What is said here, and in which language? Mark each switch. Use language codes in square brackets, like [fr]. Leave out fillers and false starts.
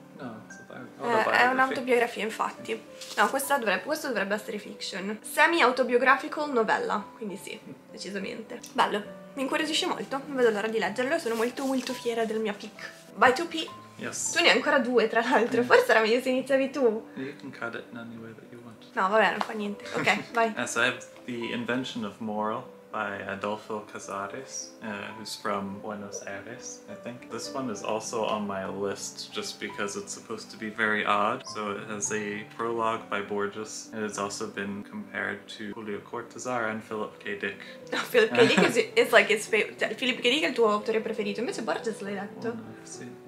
[it] No, è un'autobiografia, infatti. No, questo dovrebbe essere fiction. [en] Semi-autobiographical novella, [it] quindi sì, decisamente. Bello, mi incuriosisce molto, non vedo l'ora di leggerlo, sono molto molto fiera del mio pick. [en] Bye to P. Yes. [it] Tu ne hai ancora due, tra l'altro. Forse era meglio se iniziavi tu. [en] You can cut it in any way that you want. [it] No, vabbè, non fa niente. Ok, vai. [en] So I have The Invention of Moral by Adolfo Casares, who's from Buenos Aires, I think. This one is also on my list just because it's supposed to be very odd. So it has a prologue by Borges, and it's also been compared to Julio Cortazar and Philip K. Dick. No, Philip K. Dick is like his favorite. Cioè, Philip K. [it] Dick è il tuo autore preferito, invece Borges l'hai letto.